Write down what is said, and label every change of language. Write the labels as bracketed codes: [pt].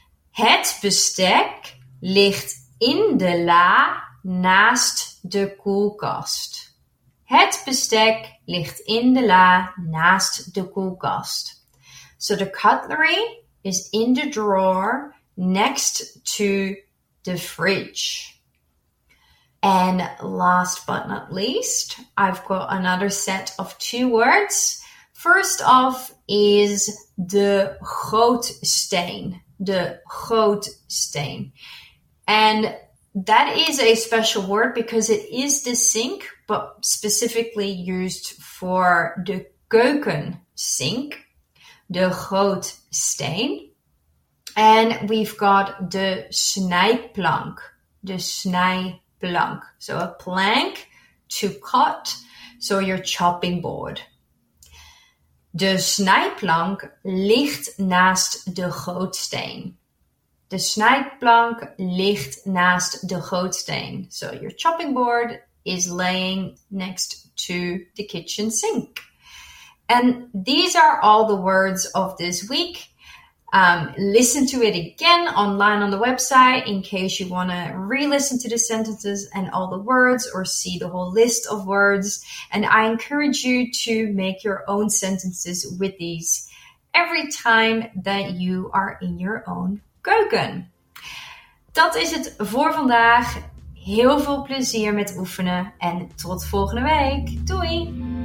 [nl] Het bestek ligt in de la naast de koelkast. Het bestek ligt in de la naast de koelkast. [en] So the cutlery is in the drawer next to the fridge. And last but not least, I've got another set of two words. First off is de grootsteen. De grootsteen. And that is a special word because it is the sink, but specifically used for the keuken sink. De grootsteen. And we've got de snijplank. De snijplank. So a plank to cut. So your chopping board. [nl] De snijplank ligt naast de grootsteen. De snijplank ligt naast de grootsteen. [en] So your chopping board is laying next to the kitchen sink. And these are all the words of this week. Listen to it again online on the website in case you want to re-listen to the sentences and all the words or see the whole list of words. And I encourage you to make your own sentences with these every time that you are in your own keuken. [nl] Dat is het voor vandaag. Heel veel plezier met oefenen en tot volgende week. Doei!